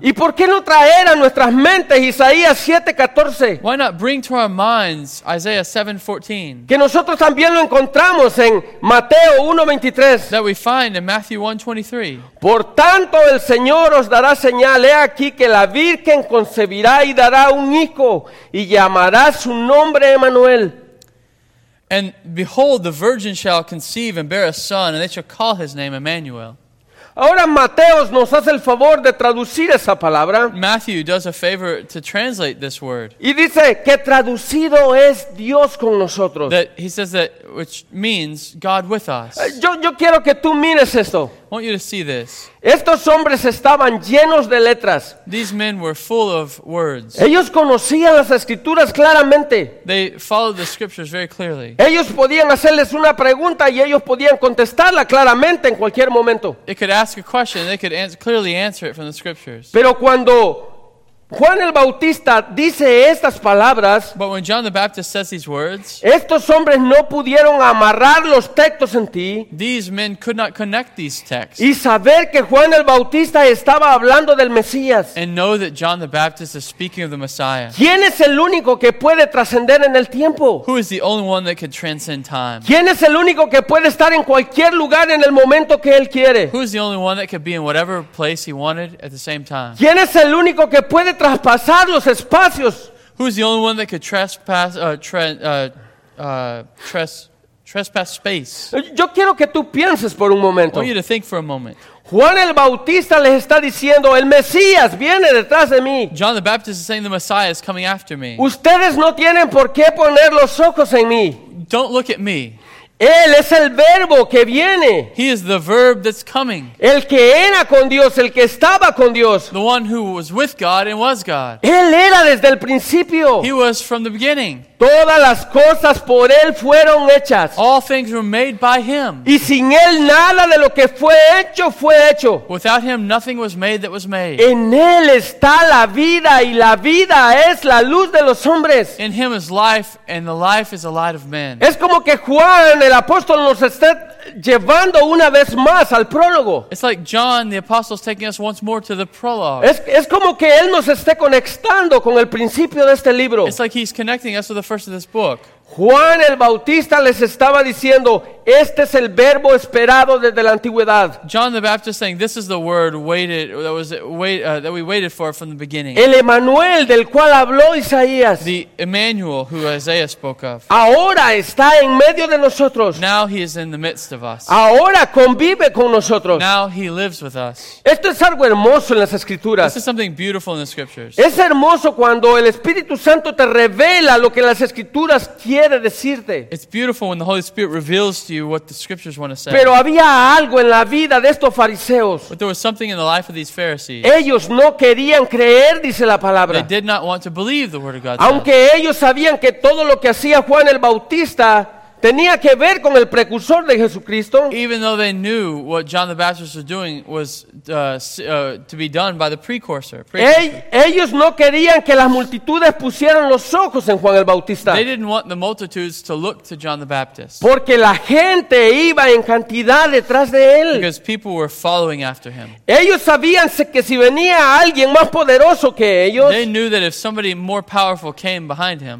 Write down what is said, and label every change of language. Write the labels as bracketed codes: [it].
[es] ¿Y por qué no traer a nuestras mentes Isaías 7:14? [en] Why not bring to our minds Isaiah 7:14? [es] Que nosotros también lo encontramos en Mateo 1:23. [en] That we find in Matthew 1:23. [es] Por tanto, el Señor os dará señal, he aquí que la Virgen concebirá y dará un hijo y llamará su nombre Emmanuel. [en] And behold, the virgin shall conceive and bear a son, and they shall call his name Emmanuel. [es] Ahora Mateo nos hace el favor de traducir esa palabra. [en] Matthew does a favor to translate this word. [es] Y dice que traducido es Dios con nosotros. [en] That he says that, which means God with us. [es] Yo quiero que tú mires esto. [en] I want you to see this. [es] Estos hombres estaban llenos de letras. [en] These men were full of words. [es] Ellos conocían las escrituras claramente. [en] They followed the scriptures very clearly. [es] Ellos podían hacerles una pregunta y ellos podían contestarla claramente en cualquier momento. [en] They could ask a question and they could clearly answer it from the scriptures. [es] Pero cuando Juan el Bautista dice estas palabras, [en] but when John the Baptist says these words, [es] estos hombres no pudieron amarrar los textos en ti, [en] these men could not connect these texts, [es] y saber que Juan el Bautista estaba hablando del Mesías, [en] and know that John the Baptist is speaking of the Messiah. [es] ¿Quién es el único que puede trascender en el tiempo? [en] Who is the only one that can transcend time? [es] ¿Quién es el único que puede estar en cualquier lugar en el momento que él quiere? [en] Who is the only one that could be in whatever place he wanted at the same time? [es] ¿Quién es el único que puede traspasar los espacios? [en] Who's the only one that could trespass space? [es] Yo quiero que tú pienses por un momento. [en] I want you to think for a moment. [es] Juan el Bautista les está diciendo, el Mesías viene detrás de mí. [en] John the Baptist is saying the Messiah is coming after me. [es] Ustedes no tienen por qué poner los ojos en mí. [en] Don't look at me. [es] Él es el verbo que viene. [en] He is the verb that's coming. [es] El que era con Dios, el que estaba con Dios. [en] The one who was with God and was God. [es] Él era desde el principio. [en] He was from the beginning. [es] Todas las cosas por él fueron hechas. [en] All things were made by him. [es] Y sin él nada de lo que fue hecho fue hecho. [en] Without him nothing was made that was made. [es] En él está la vida y la vida es la luz de los hombres. [en] In him is life and the life is the light of men. [es] Es como que Juan el apóstol nos está llevando una vez más al prólogo. [en] It's like John the apostle is taking us once more to the prologue. [es] Es como que él nos esté conectando con el principio de este libro. [en] It's like he's connecting us to the first of this book. [es] Juan el Bautista les estaba diciendo, este es el verbo esperado desde la antigüedad. [en] John the Baptist saying, this is the word waited that was wait that we waited for from the beginning. [es] El Emmanuel del cual habló Isaías. [en] The Emmanuel who Isaiah spoke of. [es] Ahora está en medio de nosotros. [en] Now he is in the midst of us. [es] Ahora convive con nosotros. [en] Now he lives with us. [es] Esto es algo hermoso en las Escrituras. [en] This is something beautiful in the Scriptures. [es] Es hermoso cuando el Espíritu Santo te revela lo que las Escrituras quiere decirte. [en] It's beautiful when the Holy Spirit reveals to you what the Scriptures want to say. [es] Pero había algo en la vida de estos fariseos. [en] But there was something in the life of these Pharisees. [es] Ellos no querían creer, dice la palabra. [en] They did not want to believe the word of God. [es] Aunque ellos sabían que todo lo que hacía Juan el Bautista tenía que ver con el precursor de Jesucristo. [en] Even though they knew what John the Baptist was doing was to be done by the precursor. [es] Ellos no querían que las multitudes pusieran los ojos en Juan el Bautista. [en] They didn't want the multitudes to look to John the Baptist. [es] Porque la gente iba en cantidad detrás de él. [en] Because people were following after him. [es] Ellos sabían que si venía alguien más poderoso que ellos, [en] they knew that if somebody more powerful came behind him,